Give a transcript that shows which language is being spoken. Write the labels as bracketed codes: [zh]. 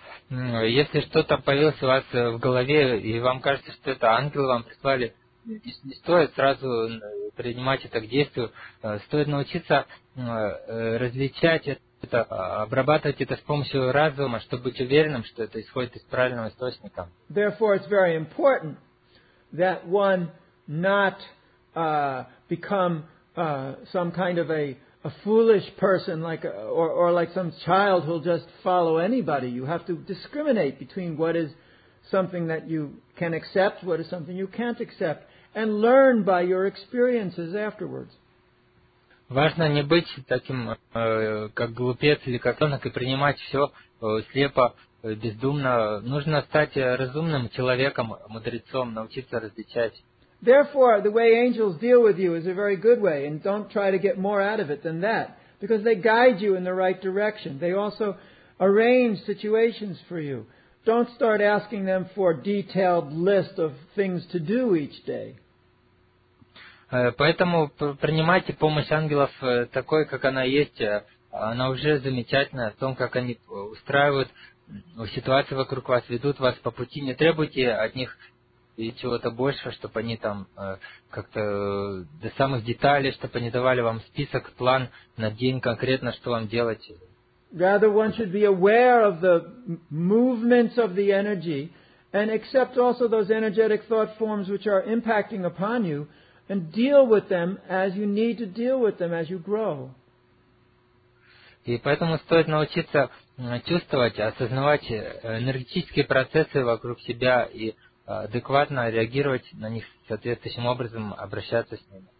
[ru] Если что-то появилось у вас в голове, и вам кажется, что это ангелы вам прислали, не стоит сразу принимать это к действию, стоит научиться различать это, обрабатывать это с помощью разума, чтобы быть уверенным, что это исходит из правильного источника. [en] Therefore, it's very important that one not become some kind of a foolish person, like or like some child who'll just follow anybody. You have to discriminate between what is something that you can accept, what is something you can't accept, and learn by your experiences afterwards. [ru] Важно не быть таким, как глупец или котенок, и принимать все слепо, бездумно. Нужно стать разумным человеком, мудрецом, научиться различать. [en] Therefore, the way angels deal with you is a very good way, and don't try to get more out of it than that, because they guide you in the right direction. They also arrange situations for you. Don't start asking them for a detailed list of things to do each day. [ru] Поэтому принимайте помощь ангелов такой, как она есть. Она уже замечательная в том, как они устраивают ситуацию вокруг вас, ведут вас по пути. Не требуйте от них и чего-то большего, чтобы они там как-то до самых деталей, чтобы они давали вам список, план на день конкретно, что вам делать. [en] Rather, one should be aware of the movements of the energy and accept also those energetic thought forms which are impacting upon you and deal with them as you need to deal with them as you grow. [ru] И поэтому стоит научиться чувствовать, осознавать энергетические процессы вокруг себя и адекватно реагировать на них соответствующим образом, обращаться с ними.